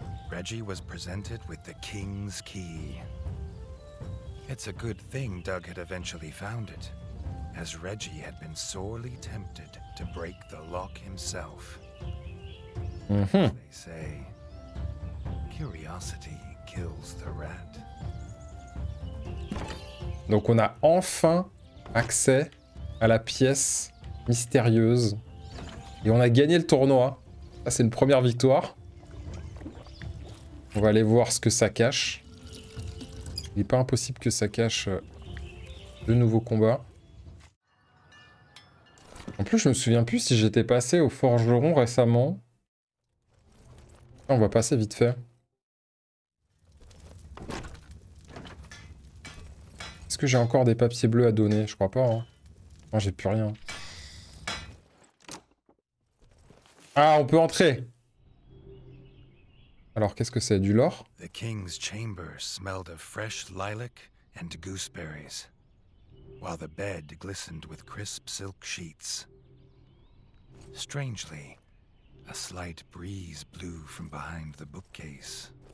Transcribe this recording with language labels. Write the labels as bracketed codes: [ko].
[en] Reggie was presented with the king's key. It's a good thing Doug had eventually found it, as Reggie had been sorely tempted to break the lock himself. Mm-hmm. They say curiosity kills the rat. [fr] Donc on a enfin accès à la pièce mystérieuse. Et on a gagné le tournoi. Ça, c'est une première victoire. On va aller voir ce que ça cache. Il n'est pas impossible que ça cache de nouveaux combats. En plus, je me souviens plus si j'étais passé au Forgeron récemment. On va passer vite fait. Est-ce que j'ai encore des papiers bleus à donner? Je crois pas. Hein. Moi, j'ai plus rien. Ah, on peut entrer. Alors, qu'est-ce que c'est, du lore? [en] The king's chamber smelled of fresh lilac and gooseberries, while the bed glistened with crisp silk sheets. Strangely, a slight breeze blew from behind the bookcase.